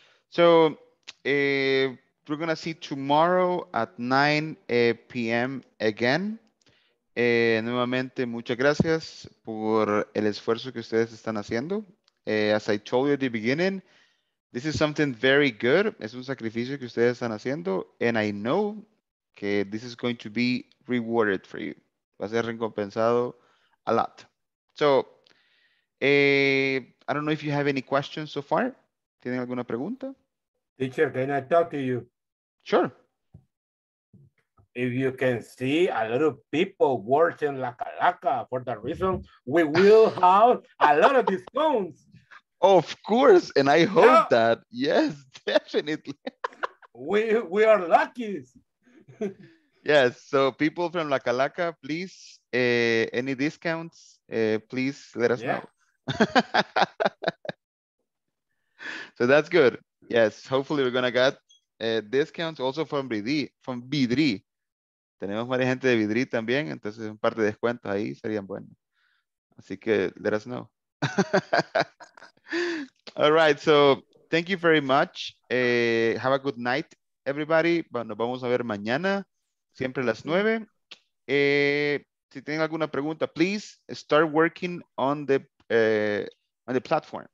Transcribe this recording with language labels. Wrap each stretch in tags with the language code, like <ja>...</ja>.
<en>So, we're going to see tomorrow at 9 p.m. again.</en> <es>Nuevamente, muchas gracias por el esfuerzo que ustedes están haciendo.</es> <en>As I told you at the beginning, this is something very good.</en> <es>Es un sacrificio que ustedes están haciendo.</es> <en>And I know que this is going to be rewarded for you.</en> <es>Va a ser recompensado</es> <en>a lot. So, I don't know if you have any questions so far.</en> <es>¿Tienen alguna pregunta?</es> <en>Teacher, can I talk to you? Sure. If you can see a lot of people working like a laca for that reason, we will have a lot of discounts. Of course, and I hope that. Yes, definitely. we are lucky. Yes, so people from La Calaca, please, any discounts, please let us know. So that's good. Yes, hopefully we're going to get discounts also from Vidri.</en> <es>Tenemos varias gente de Vidri también, entonces un par de descuentos ahí serían buenos. Así que</es> <en>let us know. All right, so thank you very much. Have a good night, everybody.</en> <es>Bueno, vamos a ver mañana. Siempre las 9. Si tienen alguna pregunta,</es> <en>please start working on the platform.</en>